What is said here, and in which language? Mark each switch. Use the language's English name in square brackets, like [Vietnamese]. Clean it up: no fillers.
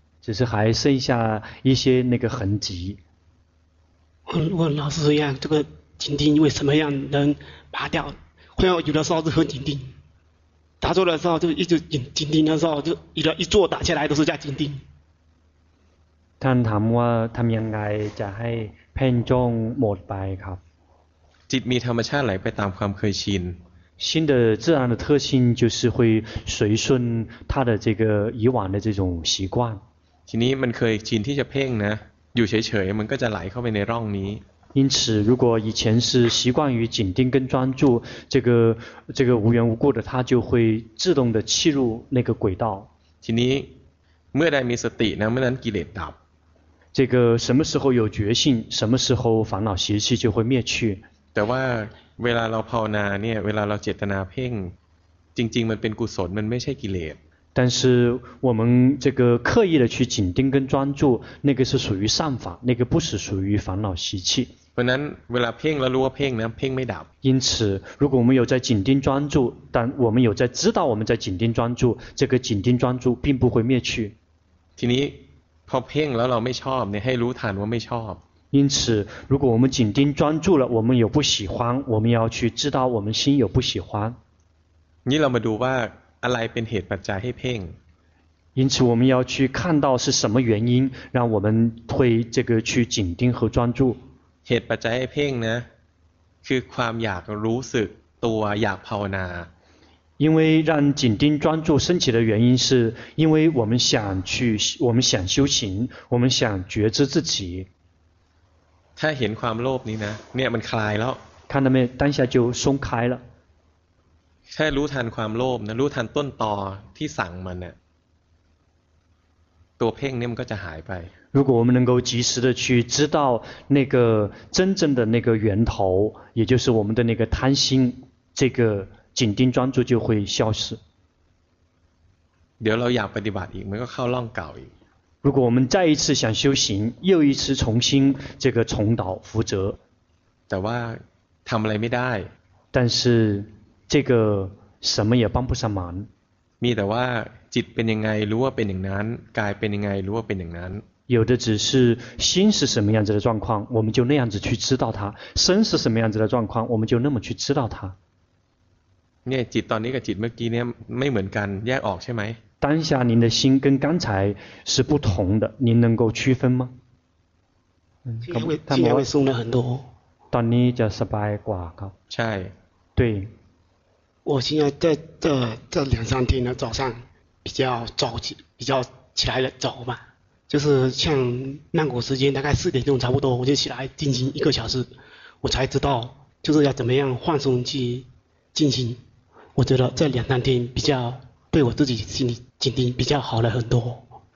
[Chinese] 只是还剩下一些那个痕迹我问老师一样这个紧盯因为什么样能拔掉会要有的时候是很紧盯打坐的时候就一直紧盯的时候就一个一坐打下来都是在紧盯 [Thai] ท่านถามว่าทำยังไงจะให้เพ่งจ้องหมดไปครับ จิตมีธรรมชาติไหลไปตามความเคยชิน [Chinese] 心的自然的特性就是会随顺它的这个以往的这种习惯 [Thai] ทีนี้มันเคยชินที่จะเพ่งนะอยู่เฉยๆมันก็จะไหลเข้าไปในร่องนี้ [Chinese] 因此如果以前是习惯于紧盯跟专注这个无缘无故的他就会自动的弃入那个轨道 [Thai] ทีนี้เมื่อได้มีสตินะเมื่อนั้นกิเลสดับ [Chinese] 这个什么时候有决心什么时候烦恼习气就会灭去 [Thai] แต่ว่าเวลาเราภาวนาเนี่ยเวลาเราเจตนาเพ่งจริงๆมันเป็นกุศลมันไม่ใช่กิเลส [Chinese] 但是我们这个刻意的去紧盯跟专注那个是属于善法那个不是属于烦恼习气 [Thai] เพราะนั้นเวลาเพ่งแล้วรู้ว่าเพ่งนะเพ่งไม่ดับ [Chinese] 因此如果我们有在紧盯专注但我们有在知道我们在紧盯专注这个紧盯专注并不会灭去 [Thai] ทีนี้พอเพ่งแล้วเราไม่ชอบเนี่ยให้รู้ทันว่าไม่ชอบ [Chinese] 因此如果我们紧盯专注了我们有不喜欢我们要去知道我们心有不喜欢 [Thai] นี่เรามาดูว่าอะไรเป็นเหตุปัจจัยให้เพ่ง [Chinese] 因此我们要去看到是什么原因让我们会这个去紧盯和专注 [Thai] เหตุปัจจัยให้เพ่งนะคือความอยากรู้สึกตัวอยากภาวนา [Chinese] 因为让紧盯专注升起的原因是因为我们想去我们想修行我们想觉知自己 [Thai] ถ้าเห็นความโลภนี้นะเนี่ยมันคลายแล้ว [Chinese] 看到没当下就松开了 [Thai] แค่รู้ทันความโลภนะรู้ทันต้นตอที่สั่งมันเนี่ยตัวเพ่งนี่มันก็จะหายไป [Chinese] 如果我们能够及时的去知道那个真正的那个源头也就是我们的那个贪心这个紧盯专注就会消失 [Thai] เดี๋ยวเราอยากปฏิบัติอีกมันก็เข้าล่องเก่าอีก [Chinese] 如果我们再一次想修行又一次重新这个重蹈覆辙 [Thai] แต่ว่าทำอะไรไม่ได้ [Chinese] 但是这个什么也帮不上忙 [Thai] มีแต่ว่าจิตเป็นยังไงรู้ว่าเป็นอย่างนั้นกายเป็นยังไงรู้ว่าเป็นอย่างนั้น [Chinese] 有的只是心是什么样子的状况我们就那样子去知道它身是什么样子的状况我们就那么去知道它 [Thai] เนี่ยจิตตอนนี้กับจิตเมื่อกี้เนี่ยไม่เหมือนกันแยกออกใช่ไหม [Chinese] 当下您的心跟刚才是不同的您能够区分吗今天会松了很多 [Thai] ตอนนี้จะสบายกว่าครับ ใช่ [Chinese] 对我现在在这两三天呢早上比较早起比较起来的早嘛就是像曼谷时间大概四点钟差不多我就起来进行一个小时我才知道就是要怎么样放松去进行我觉得这两三天比较对我自己心里紧盯比较好了很多